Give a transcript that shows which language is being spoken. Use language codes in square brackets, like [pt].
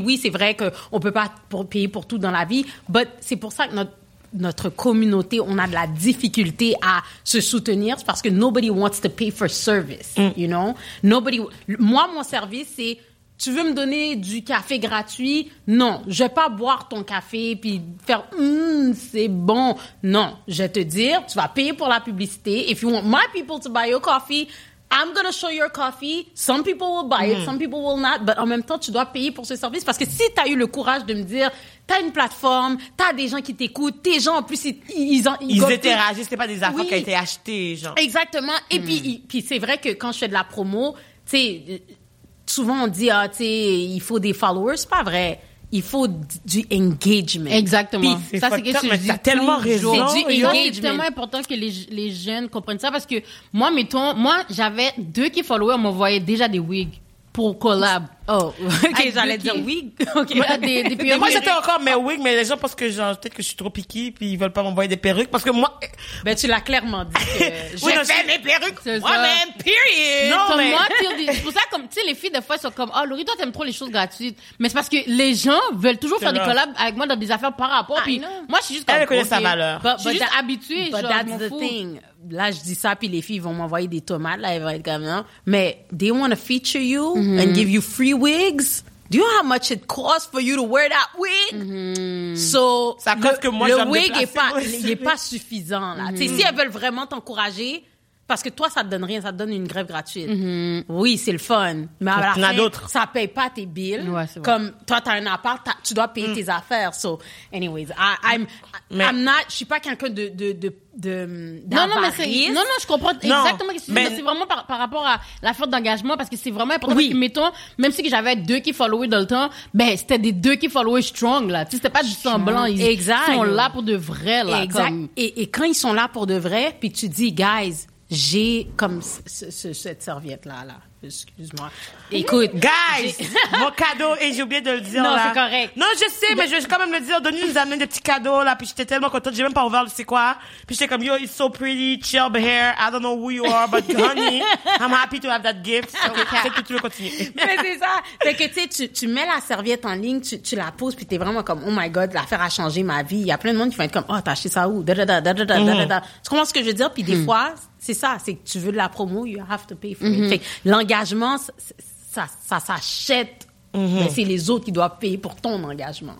[fr] Puis oui, c'est vrai qu'on ne peut pas payer pour tout dans la vie, mais c'est pour ça que notre communauté, on a de la difficulté à se soutenir. C'est parce que [en] nobody wants to pay for service. Mmh. You know? [fr] Moi, mon service, c'est tu veux me donner du café gratuit? Non, je vais pas boire ton café puis faire c'est bon. Non, je vais te dire, tu vas payer pour la publicité. [en] If you want my people to buy your coffee, I'm gonna show your coffee. Some people will buy it, some people will not. [fr] But en même temps, tu dois payer pour ce service parce que si tu as eu le courage de me dire, tu as une plateforme, tu as des gens qui t'écoutent, tes gens en plus ils interagissent, c'est pas des affaires qui ont été achetées, genre. Exactement. Et puis c'est vrai que quand je fais de la promo, tu sais, souvent, on dit, ah, tu sais, il faut des followers. C'est pas vrai. Il faut du engagement. Exactement. Puis, c'est ça, c'est ce que je dis. T'as tellement raison. C'est du engagement. C'est tellement important que les jeunes comprennent ça parce que moi, mettons, moi, j'avais deux qui followers, on m'envoyait déjà des wigs pour collab. Oh, ok, ah, j'allais dire wig. Ok, ouais. des perruques. Moi, j'étais encore mes wigs, mais les gens pensent que, genre, peut-être que je suis trop picky, puis ils veulent pas m'envoyer des perruques parce que moi. Ben, tu l'as clairement dit. Oui, j'ai fait mes perruques. C'est moi-même, period. Non, comme mais. Moi, c'est pour ça, comme, tu sais, les filles, des fois, elles sont comme, oh, Laurie, toi, t'aimes trop les choses gratuites. Mais c'est parce que les gens veulent toujours faire des collabs avec moi dans des affaires par rapport. Puis moi, je suis juste comme. Elle connaît sa valeur. Je suis juste habituée. [en] But that's the thing. [fr] Là, je dis ça, puis les filles vont m'envoyer des tomates, là, elles vont être comme, non. Mais [en] they want to feature you and give you free wigs. Do you know how much it costs for you to wear that wig? So, [fr] ça coûte que moi, le wig n'est pas suffisant, là. Mm-hmm. Si elles veulent vraiment t'encourager, parce que toi, ça ne te donne rien, ça te donne une grève gratuite. Oui, c'est le fun. Mais à la fin, ça ne paye pas tes bills. Ouais, comme toi, tu as un appart, tu dois payer tes affaires. So, anyways, je ne suis pas quelqu'un Non, je comprends exactement ce que tu dis. C'est vraiment par rapport à l'affaire d'engagement, parce que c'est vraiment important. Oui. Parce que, mettons, même si j'avais deux qui followaient dans le temps, ben, c'était des deux qui followaient strong, là. Tu sais, c'était pas du semblant. Exact. Ils sont là pour de vrai, là. Exact. Comme. Et quand ils sont là pour de vrai, puis tu dis, guys, j'ai comme cette serviette-là, là. Excuse-moi. Écoute. Guys, mon cadeau, et j'ai oublié de le dire, non, là. Non, c'est correct. Non, je sais, mais je vais quand même le dire. Denis nous a amené des petits cadeaux, là, puis j'étais tellement contente. J'ai même pas ouvert, tu sais quoi. Puis j'étais comme, [en] yo, it's so pretty, [fr] chub hair. I don't know who you are, but honey, I'm happy to have that gift. So, okay. C'est que tu veux continuer. Mais c'est ça. C'est que, tu sais, tu mets la serviette en ligne, tu la poses, puis t'es vraiment comme, [en] oh my God, [fr] l'affaire a changé ma vie. Il y a plein de monde qui vont être comme, oh, t'as acheté ça où? Tu comprends ce que je veux dire? Puis des fois, c'est ça, c'est que tu veux de la promo, [en] you have to pay for it. [fr] Fait que l'engagement, ça s'achète, mais c'est les autres qui doivent payer pour ton engagement.